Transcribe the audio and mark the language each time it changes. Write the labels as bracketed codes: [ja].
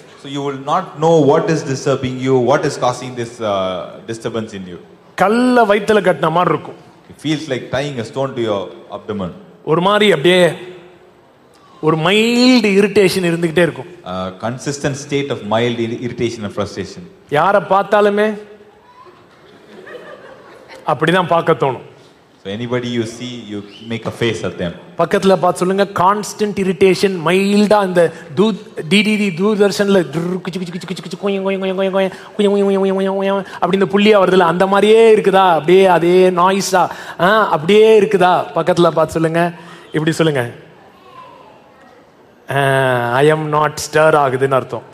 [en] So you will not know what is disturbing you, what is causing this disturbance in you. [ta] Kalla vaithula kattna maari irukum. [en] It feels like tying a stone to your abdomen. [ta] Oru maari appadiye ஒரு mild irritation இருந்துகிட்டே இருக்கும். [en] Consistent state of mild irritation and frustration. [ta] யாரை பார்த்தாலுமே அப்படிதான் பார்க்க தோணும். [en] So anybody you see, you make a face at them. [ta] பக்கத்துல பார்த்து சொல்லுங்க கான்ஸ்டன்ட் இரிட்டேஷன் மைல்டா அந்த டிடிடி தூர்தர்ஷன்ல கிச்சு கிச்சு கிச்சு கிச்சு கிச்சு கொய் கொய் கொய் கொய் கொய் கொய் கொய் கொய் கொய் கொய் கொய் அப்படி இந்த புள்ளியா வருதுல அந்த மாதிரியே இருக்குதா, அப்படியே அதே நாய்ஸா அப்படியே இருக்குதா? பக்கத்துல பார்த்து சொல்லுங்க இப்படி சொல்லுங்க I am not stir agudunu artham.